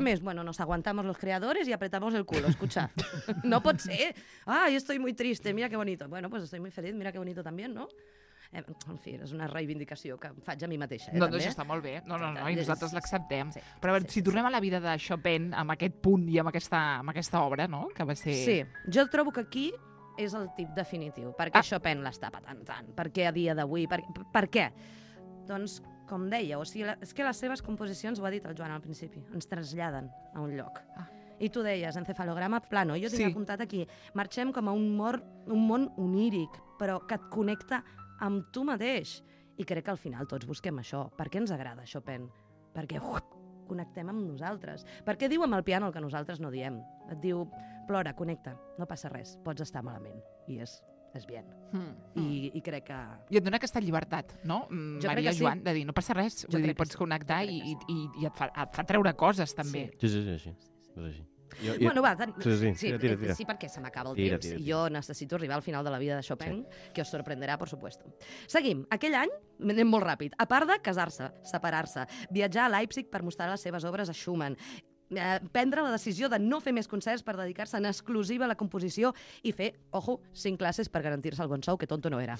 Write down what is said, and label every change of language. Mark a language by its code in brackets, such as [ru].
[es] Més, bueno, nos aguantamos los creadores y apretamos el culo, escucha. [ca] No pot ser. [es] Ah, yo estoy muy triste, mira qué bonito. Bueno, pues estoy muy feliz, mira qué bonito también, ¿no? [ca] En fi, és una reivindicació que faig a mi mateixa. No, doncs està molt bé. No, i nosaltres l'acceptem. Sí, però a veure, sí, si tornem a la vida de Chopin, amb aquest punt i amb aquesta obra, no?, que va ser... Sí, jo trobo que aquí és el tip definitiu. Per què Chopin l'està patant tant? Per què a dia d'avui? Per què? Doncs... Com deia, o sigui, és que les seves composicions, ho ha dit el Joan al principi, ens traslladen a un lloc. Ah. I tu deies, encefalograma plano, jo tinc apuntat aquí, marxem com a un món oníric, però que et connecta amb tu mateix. I crec que al final tots busquem això. Per què ens agrada Chopin? Perquè connectem amb nosaltres. Per què diu amb el piano el que nosaltres no diem? Et diu, plora, connecta, no passa res, pots estar malament. I és... És bien. I crec que... I et dona aquesta llibertat, no, jo Maria Joan? Sí. De dir, no passa res, vull dir, pots connectar i et fa treure coses, també. Sí. Jo... Bueno, va, sí, perquè se m'acaba el temps. Tira. Jo necessito arribar al final de la vida de Chopin, [es] que os sorprenderà, por supuesto. [ca] Seguim. Aquell any, anem molt ràpid, a part de casar-se, separar-se, viatjar a Leipzig per mostrar les seves obres a Schumann, prendre la decisió de no fer més concerts per dedicar-se en exclusiva a la composició i fer, ojo, 5 classes per garantir-se el bon sou, que tonto no era.